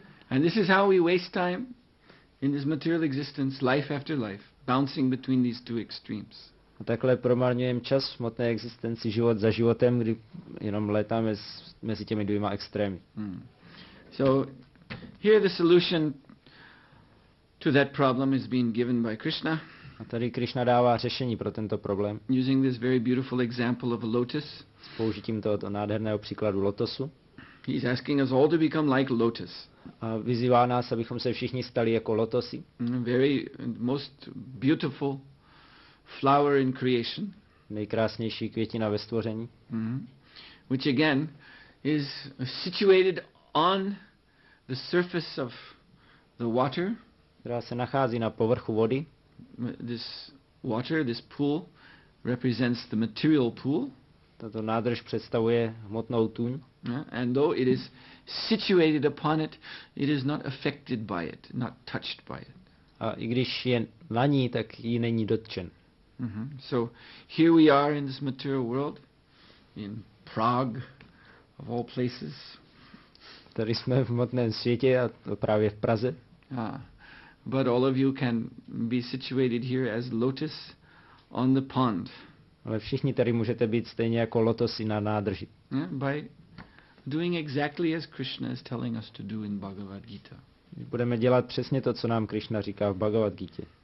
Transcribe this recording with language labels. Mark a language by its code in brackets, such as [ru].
[en] And this is how we waste time in this material existence, life after life, bouncing between these two extremes. [cs] A takhle promarňujeme čas v hmotné existenci, život za životem, kdy jenom létáme mezi těmi dvěma extrémy. Hmm. [en] So here the solution to that problem is being given by Krishna. [cs] A tady Krishna dává řešení pro tento problém. [en] Using this very beautiful example of a lotus. [cs] S použitím tohoto nádherného příkladu lotosu. [en] He's asking us all to become like lotus. [cs] A vyzývá nás, abychom se všichni stali jako lotosy. [en] Very most beautiful flower in creation. [cs] Nejkrásnější květina ve stvoření. Mm-hmm. [en] Which again is situated on the surface of the water. [cs] Která se nachází na povrchu vody. [en] This water, this pool represents the material pool. [cs] Tato nádrž představuje hmotnou tuň. [en] Yeah, and though it is situated upon it, it is not affected by it, not touched by it. [cs] A i když je na ní, tak jí není dotčen. [en] Mm-hmm. So here we are in this material world, in Prague, of all places. [cs] Tady jsme v hmotném světě a to právě v Praze. [en] Ah, but all of you can be situated here as lotus on the pond. [cs] Ale všichni tady můžete být stejně jako lotosy na nádrži. [en] Yeah, by doing exactly as Krishna is telling us to do in Bhagavad Gita. [cs] Budeme dělat přesně to, co nám Krishna říká v Bhagavad Gita.